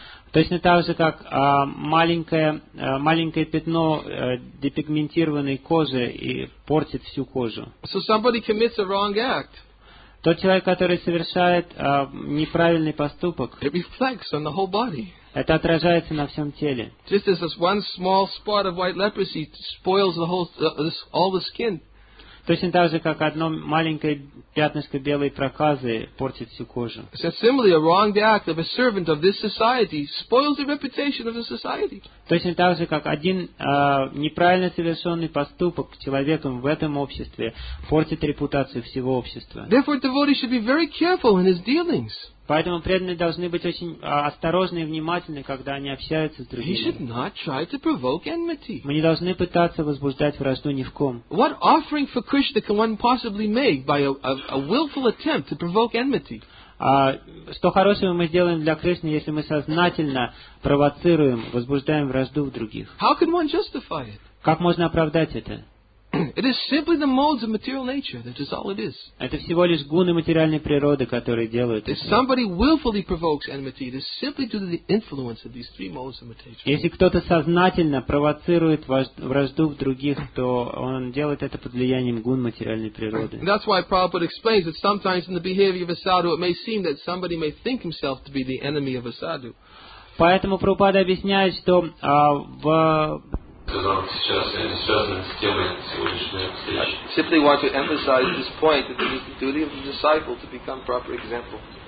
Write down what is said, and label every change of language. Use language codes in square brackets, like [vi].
[ru] Точно так же, как маленькое пятно депигментированной кожи и портит всю кожу. [en] So somebody commits a wrong act. [ru] Тот человек, который совершает неправильный поступок, [en] it reflects on the whole body. [ru] Это отражается на всем теле. [en] Just as this one small spot of white leprosy spoils the whole, all the skin. [ru] Точно так же, как одно маленькое пятнышко белой проказы портит всю кожу. [en] Similarly, a wrong act of a servant of this society spoils the reputation of the society. [ru] Точно так же, как один неправильно совершенный поступок человеком в этом обществе портит репутацию всего общества. [en] Therefore, devotee should be very careful in his dealings. [ru] Поэтому преданные должны быть очень осторожны и внимательны, когда они общаются с другими. [en] He should not try to provoke enmity. [ru] Мы не должны пытаться возбуждать вражду ни в ком. [en] What offering for Krishna can one possibly make by a willful attempt to provoke enmity? [ru] Что хорошего мы сделаем для Кришны, если мы сознательно провоцируем, возбуждаем вражду в других? [en] How can one justify it? [ru] Как можно оправдать это? [en] It is simply the modes of material nature. That is all it is. [ru] Это всего лишь гуны материальной природы, которые делают это. [en] If somebody willfully provokes enmity, it is simply due to the influence of these three modes of material nature. [ru] Если кто-то сознательно провоцирует вражду в других, то он делает это под влиянием гун материальной природы. [en] That's why Prabhupada explains that sometimes in the behavior of a sadhu, it may seem that somebody may think himself to be the enemy of a sadhu. [ru] Поэтому Прабхупада объясняет, что в [en] I simply want to emphasize this point that it is the duty of the disciple to become proper example.